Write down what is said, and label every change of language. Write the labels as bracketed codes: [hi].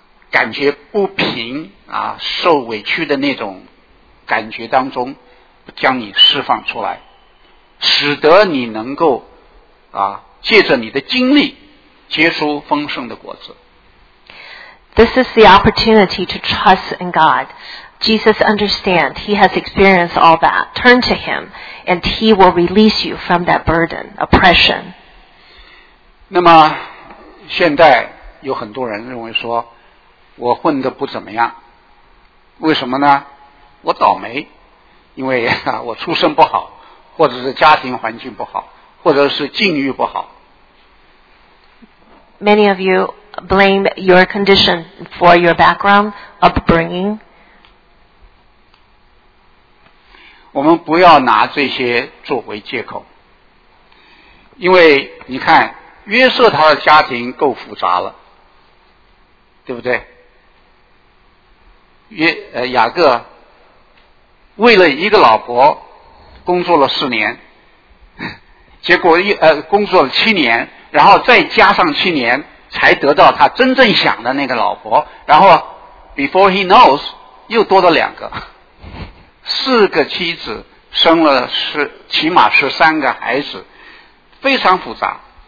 [zh] 感觉不平受委屈的那种感觉当中将你释放出来，使得你能够借着你的经历结出丰盛的果子。 [en] This is the opportunity to trust in God. Jesus understands he has experienced all that. Turn to him and he will release you from that burden, oppression. [zh] 那么现在有很多人认为说，我混得不怎么样，为什么呢？我倒霉，因为我出身不好，或者是家庭环境不好，或者是境遇不好。 [en] Many of you blame your condition for your background, upbringing. [zh] 我们不要拿这些作为借口，因为你看约瑟他的家庭够复杂了，对不对？雅各为了一个老婆工作了四年，结果工作了七年，然后再加上七年才得到他真正想的那个老婆，然后 [en] before he knows [zh] 又多了两个，四个妻子生了起码是三个孩子，非常复杂。